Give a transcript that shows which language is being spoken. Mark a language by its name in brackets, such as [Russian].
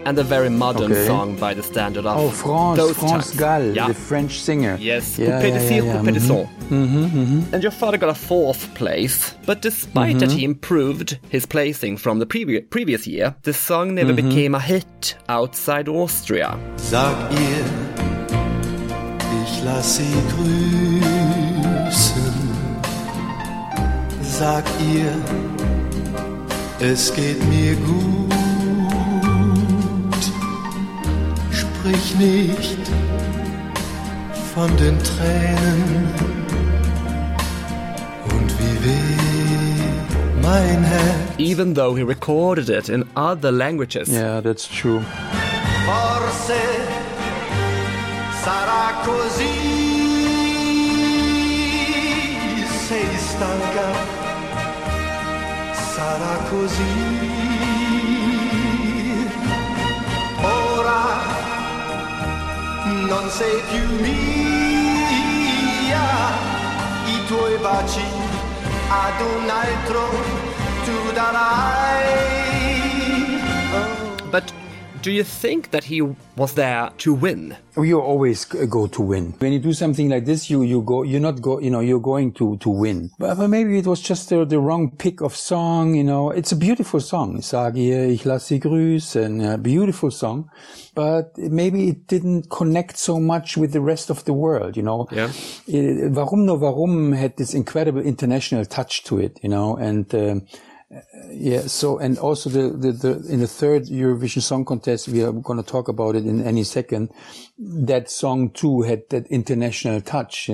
[English] And a very modern song by the standard of Franz Gall, yeah. The French singer. Yes. And your father got a fourth place. But despite that, he improved his placing from the previous year, the song never became a hit. Outside Austria. [German] Sag ihr, ich lass sie grüßen. Sag ihr, es geht mir gut. sprich nicht von den Tränen und wie weh mein Herz. [English] Even though he recorded it in other languages. Yeah, that's true. [Italian] Forse sarà così. Sei stanca. Sarà così. Ora non sei più mia. I tuoi baci ad un altro tu darai. [English] But do you think that he was there to win? You always go to win. When you do something like this, you're going to win. But maybe it was just the wrong pick of song, you know. It's a beautiful song. Sag ihr, ich lass sie grüßen, a beautiful song. But maybe it didn't connect so much with the rest of the world, you know. Yeah. Warum nur warum had this incredible international touch to it, you know, and yeah, so, and also the in the third Eurovision Song Contest, we are going to talk about it in any second, that song too had that international touch.